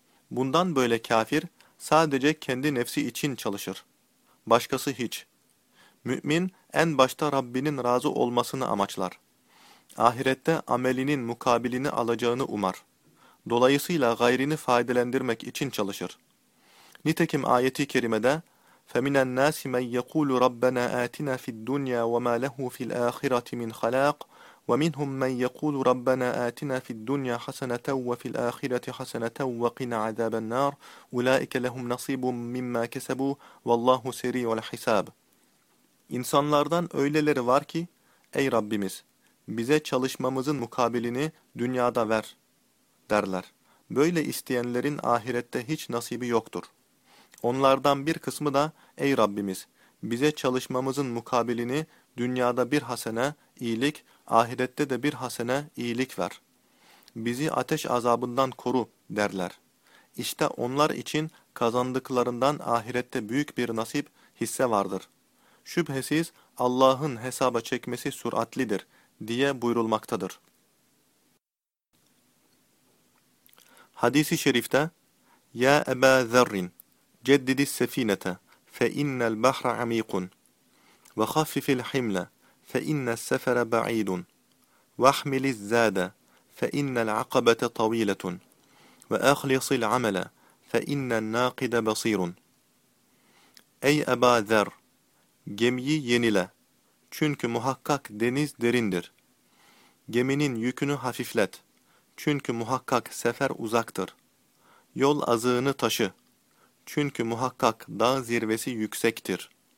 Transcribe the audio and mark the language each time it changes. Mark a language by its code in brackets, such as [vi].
[tr] Bundan böyle kafir sadece kendi nefsi için çalışır. Başkası hiç. Mümin en başta Rabbinin razı olmasını amaçlar. Ahirette amelinin mukabilini alacağını umar. Dolayısıyla gayrini faydalandırmak için çalışır. [ar] Nitekim ayeti kerimede, فَمِنَ النَّاسِ مَنْ يَقُولُ رَبَّنَا آتِنَا فِي الدُّنْيَا وَمَا لَهُ فِي الْآخِرَةِ مِنْ خَلَاقٍ وَمِنْهُمْ مَنْ يَقُولُ رَبَّنَا آتِنَا فِي الدُّنْيَا حَسَنَةً وَفِي الْآخِرَةِ حَسَنَةً وَقِنَا عَذَابَ النَّارِ أُولَٰئِكَ لَهُمْ نَصِيبٌ مِمَّا كَسَبُوا وَاللّٰهُ سَرِيعُ الْحِسَابِ. [tr] İnsanlardan öyleleri var ki, ey Rabbimiz, bize çalışmamızın mukabilini dünyada ver, derler. Böyle isteyenlerin ahirette hiç nasibi yoktur. Onlardan bir kısmı da, ey Rabbimiz, bize çalışmamızın mukabilini dünyada bir hasene, iyilik, ahirette de bir hasene, iyilik ver. Bizi ateş azabından koru, derler. İşte onlar için kazandıklarından ahirette büyük bir nasip, hisse vardır. Şüphesiz Allah'ın hesaba çekmesi süratlidir, diye buyurulmaktadır. Hadis-i şerifte, [ar] Ya Ebâ Zerrin! جدد السفينة فإن البحر عميق وخفف الحمل فإن السفر بعيد واحمل الزاد فإن العقبة طويلة وأخلص العمل فإن الناقد بصير. أي أبا ذر, [tr] gemiyi yenile, çünkü muhakkak deniz derindir. Geminin yükünü hafiflet, çünkü muhakkak sefer uzaktır. Yol azığını taşı, çünkü muhakkak dağ zirvesi yüksektir.